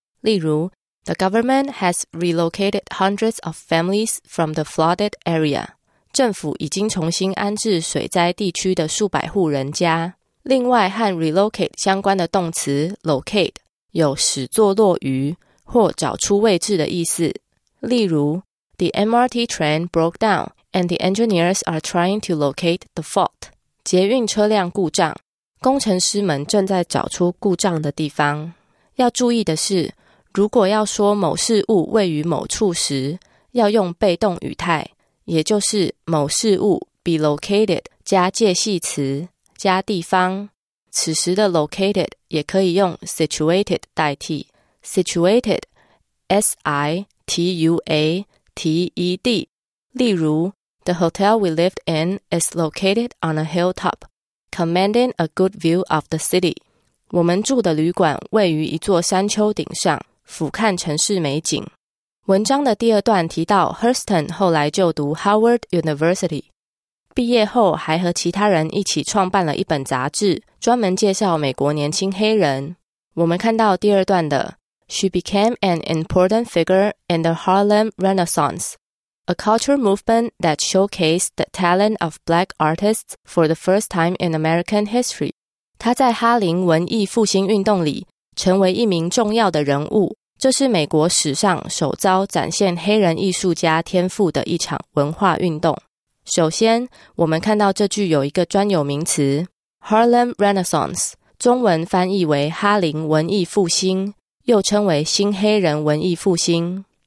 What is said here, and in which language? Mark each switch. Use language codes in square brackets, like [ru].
[zh] 例如 [en] ,The government has relocated hundreds of families from the flooded area. [zh] 政府已经重新安置水灾地区的数百户人家。另外和 relocate 相关的动词 locate 有使坐落于或找出位置的意思。例如 [en] ,The MRT train broke down and the engineers are trying to locate the fault. [zh] 捷运车辆故障，工程师们正在找出故障的地方。要注意的是，如果要说某事物位于某处时，要用被动语态，也就是某事物 be located 加介系词加地方。此时的 located 也可以用 situated 代替。 [en] Situated, S-I-T-U-A-T-E-D. [zh] 例如 [en] ,The hotel we lived in is located on a hilltop, commanding a good view of the city. [zh] 我们住的旅馆位于一座山丘顶上，俯瞰城市美景。文章的第二段提到 Hurston 后来就读 Howard University。毕业后还和其他人一起创办了一本杂志，专门介绍美国年轻黑人。我们看到第二段的 [en] She became an important figure in the Harlem Renaissance, a culture movement that showcased the talent of black artists for the first time in American history. [zh] 她在哈林文艺复兴运动里成为一名重要的人物，这是美国史上首遭展现黑人艺术家天赋的一场文化运动。首先，我们看到这句有一个专有名词 Harlem Renaissance， 中文翻译为哈林文艺复兴，又称为新黑人文艺复兴。